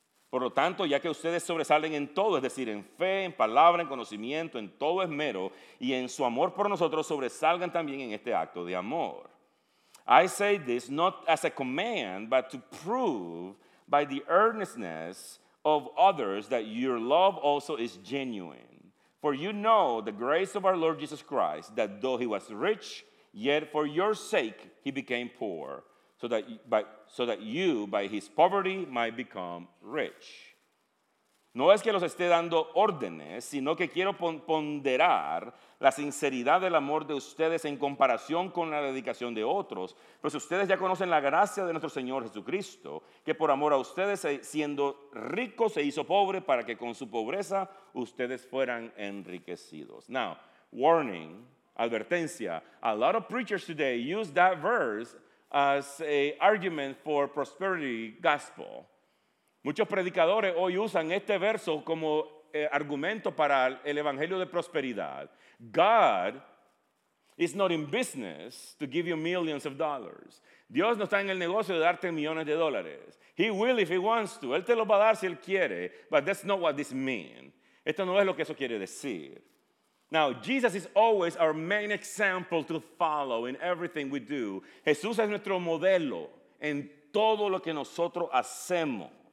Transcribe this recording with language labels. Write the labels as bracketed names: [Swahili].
[Spanish] Por lo tanto, ya que ustedes sobresalen en todo, es decir, en fe, en palabra, en conocimiento, en todo esmero, y en su amor por nosotros, sobresalgan también en este acto de amor. [English] I say this not as a command, but to prove by the earnestness of others that your love also is genuine. For you know the grace of our Lord Jesus Christ, that though he was rich, yet for your sake he became poor, so that you, by his poverty, might become rich. [Spanish] No es que los esté dando órdenes, sino que quiero ponderar la sinceridad del amor de ustedes en comparación con la dedicación de otros, pues ustedes ya conocen la gracia de nuestro Señor Jesucristo, que por amor a ustedes, siendo rico, se hizo pobre para que con su pobreza ustedes fueran enriquecidos. [English] Now, warning, advertencia, a lot of preachers today use that verse as an argument for prosperity gospel. [Spanish] Muchos predicadores hoy usan este verso como argumento para el evangelio de prosperidad. [English] God is not in business to give you millions of dollars. [Spanish] Dios no está en el negocio de darte millones de dólares. [English] He will if he wants to. [Spanish] Él te lo va a dar si él quiere. [English] But that's not what this means. [Spanish] Esto no es lo que eso quiere decir. [English] Now, Jesus is always our main example to follow in everything we do. [Spanish] Jesús es nuestro modelo en todo lo que nosotros hacemos.